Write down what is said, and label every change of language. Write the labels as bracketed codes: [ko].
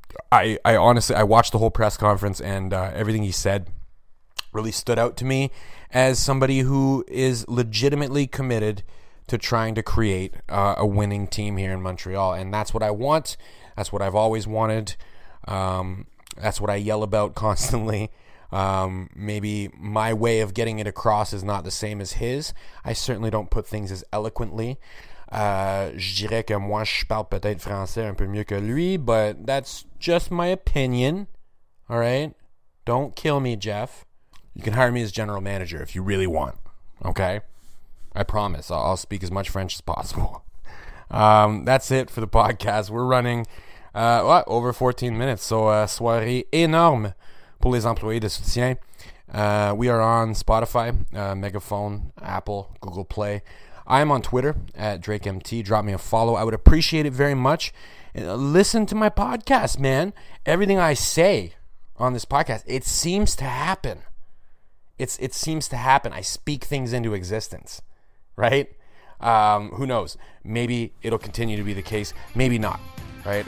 [en] I honestly watched the whole press conference, and everything he said really stood out to me as somebody who is legitimately committed to trying to create a winning team here in Montreal, and that's what I want. That's what I've always wanted. That's what I yell about constantly. Maybe my way of getting it across is not the same as his. I certainly don't put things as eloquently. [fr] Je dirais que moi, je parle peut-être français un peu mieux que lui, [en] but that's just my opinion. All right? Don't kill me, Jeff. You can hire me as general manager if you really want. Okay? I promise. I'll speak as much French as possible. That's it for the podcast. We're running over 14 minutes, so [fr] soirée énorme pour les employés de soutien. [en] We are on Spotify, Megaphone, Apple, Google Play. I am on Twitter at DrakeMT. Drop me a follow. I would appreciate it very much. Listen to my podcast, man. Everything I say on this podcast, it seems to happen. It seems to happen. I speak things into existence, right? Who knows? Maybe it'll continue to be the case. Maybe not. right?